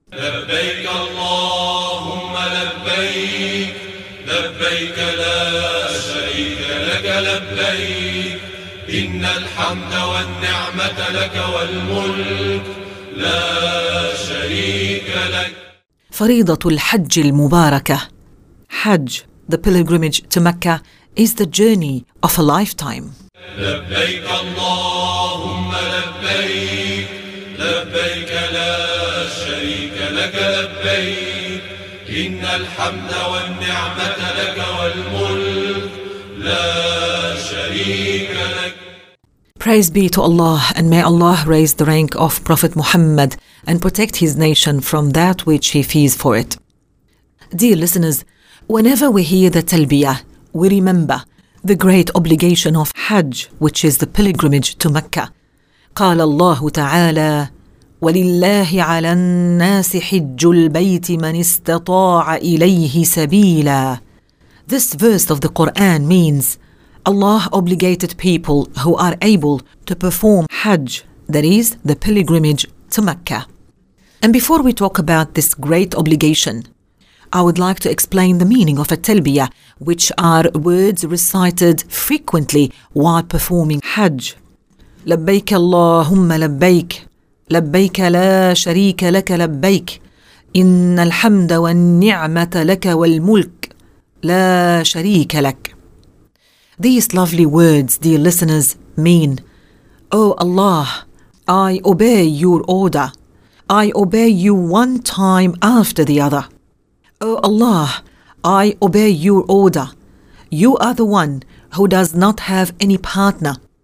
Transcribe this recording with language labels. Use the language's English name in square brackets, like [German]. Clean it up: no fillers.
[Arabic] لبيك اللهم لبيك لبيك لا شريك لك لبيك إن الحمد والنعمة لك والملك لا شريك لك. فريضة الحج المباركة. [English] حج, the pilgrimage to Mecca, is the journey of a lifetime. [Arabic] لبيك اللهم لبيك لبيك لا شريك لك لبيك إن الحمد والنعمة لك والملك لا شريك لك. [English] Praise be to Allah, and may Allah raise the rank of Prophet Muhammad and protect his nation from that which he fears for it. Dear listeners, whenever we hear the talbiyah, we remember the great obligation of Hajj, which is the pilgrimage to Mecca. [Arabic] قال الله تعالى ولله على الناس حج البيت من استطاع إليه سبيلا. [English] This verse of the Quran means Allah obligated people who are able to perform Hajj, that is, the pilgrimage to Mecca. And before we talk about this great obligation, I would like to explain the meaning of a talbiyah, which are words recited frequently while performing Hajj. [Arabic] لبيك اللهم لبيك لبيك لا شريك لك لبيك إن الحمد والنعمة لك والملك لا شريك لك. [English] These lovely words, dear listeners, mean, O Allah, I obey your order. I obey you one time after the other. O Allah, I obey your order. You are the one who does not have any partner.